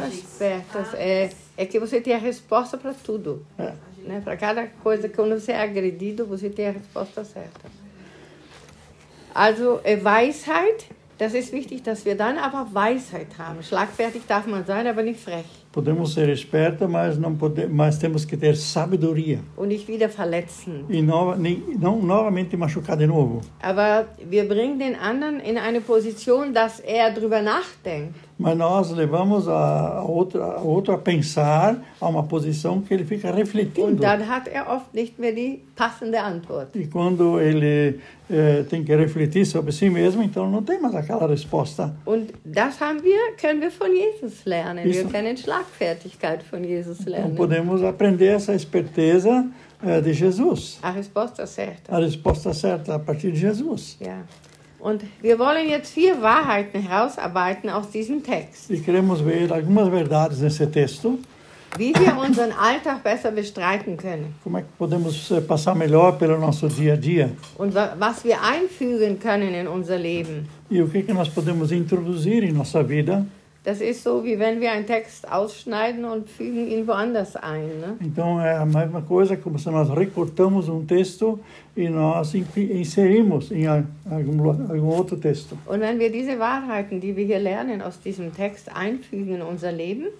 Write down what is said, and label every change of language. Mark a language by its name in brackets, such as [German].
[Portuguese] Espertos, é que você tem a resposta para tudo, né? Para cada coisa, quando você é agredido, você tem a resposta certa. [German] Also, Weisheit, das ist wichtig, dass wir dann aber Weisheit haben. Schlagfertig darf man sein, aber nicht frech. [Portuguese] Podemos ser espertos, mas temos que ter sabedoria. [German] Und nicht wieder verletzen. [Portuguese] E não novamente machucar de novo. [German] Aber wir bringen den anderen in eine Position, dass drüber nachdenkt. [Portuguese] Mas nós levamos a outro a pensar a uma posição que ele fica refletindo. [German] Und dann hat oft nicht mehr die passende Antwort. [Portuguese] E quando ele tem que refletir sobre si mesmo, então não tem mais aquela resposta. [German] Und das haben wir, können wir von Jesus lernen. Isso. Wir können Schlagfertigkeit von Jesus lernen. [Portuguese] Então podemos aprender essa esperteza de Jesus. A resposta certa. A resposta certa a partir de Jesus. [German] Ja. Und wir wollen jetzt vier Wahrheiten herausarbeiten aus diesem Text. [Portuguese] E queremos ver algumas verdades nesse texto. [German] Wie wir unseren Alltag besser bestreiten können. [Portuguese] Como é que podemos passar melhor pelo nosso dia a dia? [German] Und was wir einfügen können in unser Leben. [Portuguese] E o que nós podemos introduzir em nossa vida? [German] Das ist so, wie wenn wir einen Text ausschneiden und fügen ihn woanders ein, ne? [Portuguese] Então é a mesma coisa como se nós recortamos texto e nós inserimos em algum outro texto. [German] Und wenn wir diese Wahrheiten, die wir hier lernen, aus diesem Text einfügen in unser Leben?